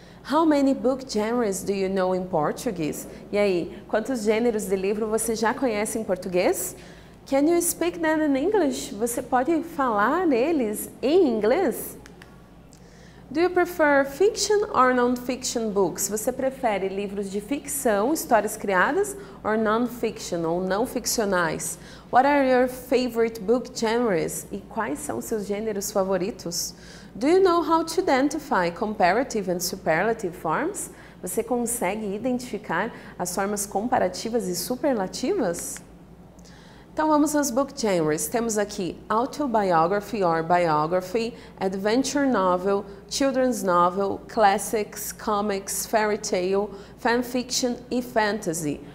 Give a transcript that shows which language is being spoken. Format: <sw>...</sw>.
<en>How many book genres do you know in Portuguese?</en> <pt>E aí, quantos gêneros de livro você já conhece em português?</pt> <en>Can you speak them in English?</en> <pt>Você pode falar eles em inglês?</pt> <en>Do you prefer fiction or non-fiction books?</en> <pt>Você prefere livros de ficção, histórias criadas,</pt> <en>or non-fiction,</en> <pt>ou não ficcionais?</pt> <en>What are your favorite book genres?</en> <pt>E quais são seus gêneros favoritos?</pt> <en>Do you know how to identify comparative and superlative forms?</en> <pt>Você consegue identificar as formas comparativas e superlativas? Então vamos aos book genres. Temos aqui</pt> <en>autobiography or biography, adventure novel, children's novel, classics, comics, fairy tale, fan fiction</en> <pt>e fantasy.</pt>